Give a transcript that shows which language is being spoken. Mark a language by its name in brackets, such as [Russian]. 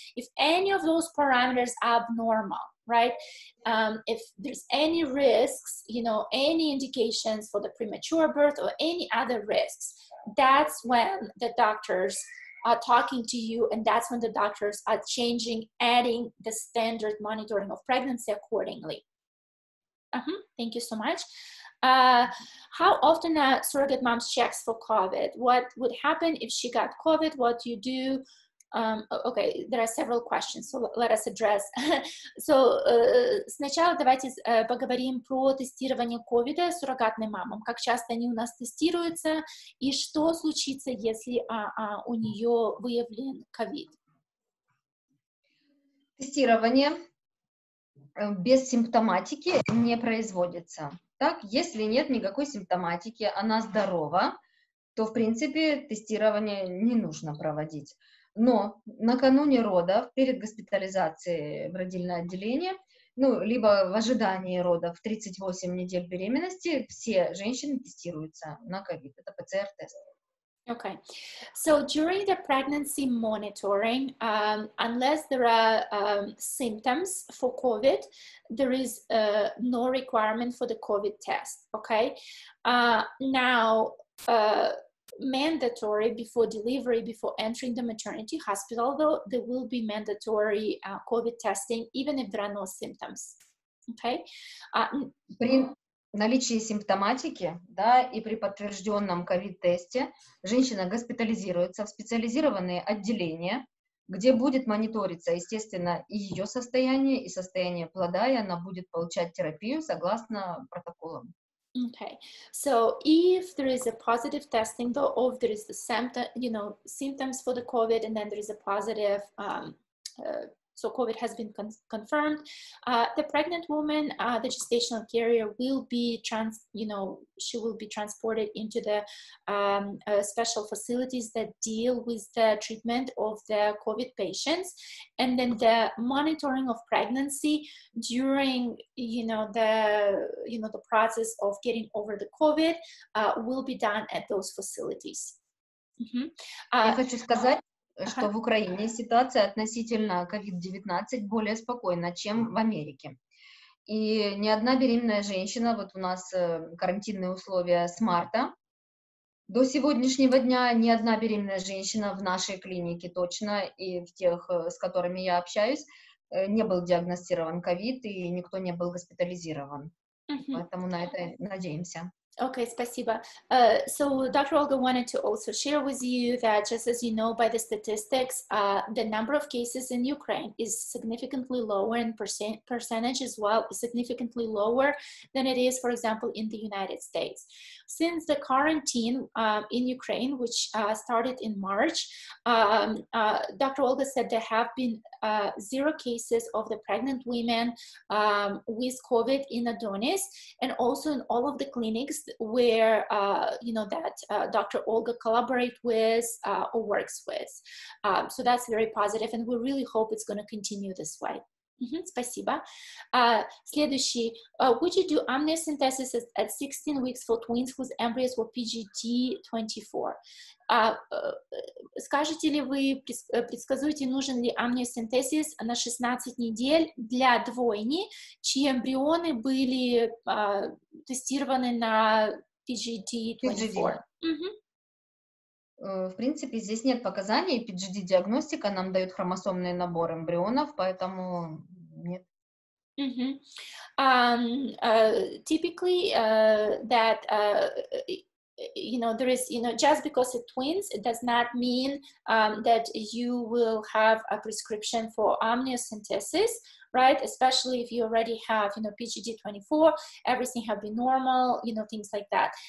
[English] If any of those parameters are abnormal, right? If there's any risks, you know, any indications for the premature birth or any other risks, that's when the doctors are talking to you, and that's when the doctors are changing, adding the standard monitoring of pregnancy accordingly. Uh-huh. Thank you so much. How often are surrogate moms checks for COVID? What would happen if she got COVID? What do you do? Okay, there are several questions, so let us address. So, [Russian] сначала давайте поговорим про тестирование ковида суррогатным мамам. Как часто они у нас тестируются, и что случится, если у нее выявлен ковид? Тестирование без симптоматики не производится. Так, если нет никакой симптоматики, она здорова, то, в принципе, тестирование не нужно проводить. Но накануне родов, перед госпитализацией в родильное отделение, ну, либо в ожидании родов, 38 недель беременности, все женщины тестируются на COVID. Это ПЦР-тест. [English] Okay. So during the pregnancy monitoring, unless there are symptoms for COVID, there is no requirement for the COVID test. Okay. Now, mandatory before delivery, before entering the maternity hospital, though, there will be mandatory COVID testing, even if there are no symptoms. Okay. [Russian] Наличие симптоматики, да, и при подтвержденном ковид-тесте женщина госпитализируется в специализированные отделения, где будет мониториться, естественно, и ее состояние, и состояние плода, и она будет получать терапию согласно протоколам. [English] Okay, so if there is a positive testing, though, or if there is the symptoms for the COVID, and then there is a positive so COVID has been confirmed, the pregnant woman, the gestational carrier will be she will be transported into the special facilities that deal with the treatment of the COVID patients. And then the monitoring of pregnancy during, the process of getting over the COVID will be done at those facilities. Mm-hmm. [Russian] Что в Украине ситуация относительно COVID-19 более спокойна, чем в Америке. И ни одна беременная женщина, вот у нас карантинные условия с марта, до сегодняшнего дня ни одна беременная женщина в нашей клинике точно и в тех, с которыми я общаюсь, не был диагностирован COVID и никто не был госпитализирован. Mm-hmm. Поэтому на это надеемся. [English] Okay, [Russian] спасибо. [English] So Dr. Olga wanted to also share with you that just as you know by the statistics, the number of cases in Ukraine is significantly lower in percentage as well, significantly lower than it is, for example, in the United States. Since the quarantine in Ukraine, which started in March, Dr. Olga said there have been zero cases of the pregnant women with COVID in Adonis, and also in all of the clinics where, that Dr. Olga collaborate with or works with. So that's very positive, and we really hope it's going to continue this way. [Russian] Mm-hmm, спасибо. Следующий. [English] Would you do amniocentesis at 16 weeks for twins whose embryos were PGT-24? [Russian] Скажете ли вы, предсказуете, нужен ли амниосинтезис на 16 недель для двойни, чьи эмбрионы были тестированы на PGT-24? В принципе, здесь нет показаний. PGD-диагностика нам дает хромосомный набор эмбрионов, поэтому... [English] Typically, that you know, there is, you know, just because it twins, it does not mean that you will have a prescription for amniocentesis, right? Especially if you already have, you know, PGD24, everything have been normal, you know, things like that.